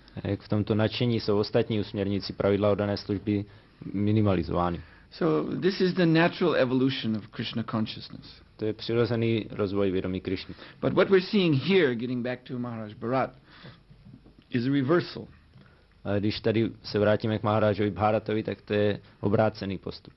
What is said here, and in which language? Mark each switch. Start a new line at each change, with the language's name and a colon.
Czech: A jak v tomto nadšení jsou ostatní usměrnící pravidla o dané služby minimalizovány.
English: So this is the natural evolution of Krishna consciousness.
Czech: To je přirozený rozvoj vědomí Krišny.
English: But what we're seeing here, getting back to Maharaj Bharat, is a reversal.
Czech: A když tady se vrátíme k Maharajovi Bharatovi, tak to je obrácený postup.